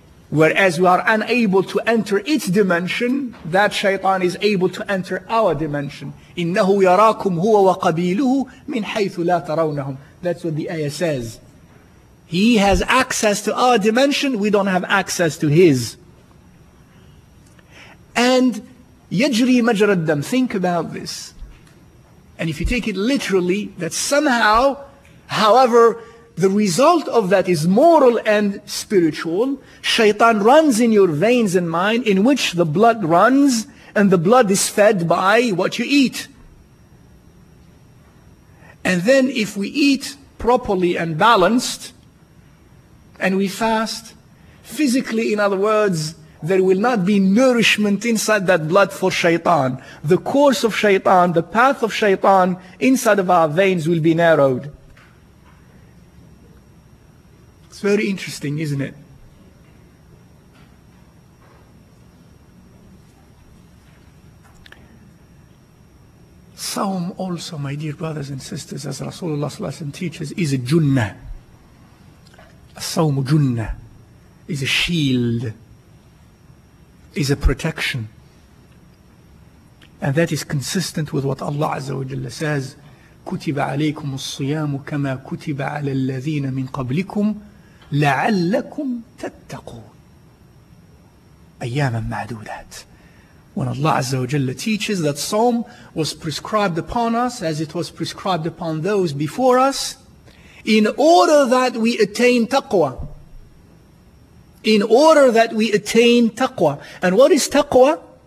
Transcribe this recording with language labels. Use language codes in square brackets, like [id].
[en] Whereas we are unable to enter its dimension, that shaitan is able to enter our dimension. [ar] إِنَّهُ يَرَاكُمْ هُوَ وَقَبِيلُهُ مِنْ حَيْثُ لَا تَرَوْنَهُمْ. [en] That's what the ayah says. He has access to our dimension, we don't have access to his. [ar] And يجري مجرى الدم. [en] Think about this. And if you take it literally, that somehow, however, the result of that is moral and spiritual. Shaitan runs in your veins and mind, in which the blood runs, and the blood is fed by what you eat. And then if we eat properly and balanced, and we fast, physically, in other words, there will not be nourishment inside that blood for shaitan. The course of shaitan, the path of shaitan inside of our veins will be narrowed. It's very interesting, isn't it? Sawm also, my dear brothers and sisters, as Rasulullah ﷺ teaches, is a junnah. Sawm junnah is a shield, is a protection. And that is consistent with what Allah Azza wa Jalla says, [ar] كُتِبَ عَلَيْكُمُ الصِّيَامُ كَمَا كُتِبَ عَلَى الَّذِينَ مِنْ قَبْلِكُمْ لَعَلَّكُمْ تَتَّقُونَ أَيَّامًا مَعْدُودَاتٍ. [en] When Allah Azza wa Jalla teaches that Psalm was prescribed upon us as it was prescribed upon those before us, in order that we attain taqwa. In order that we attain taqwa. And what is taqwa?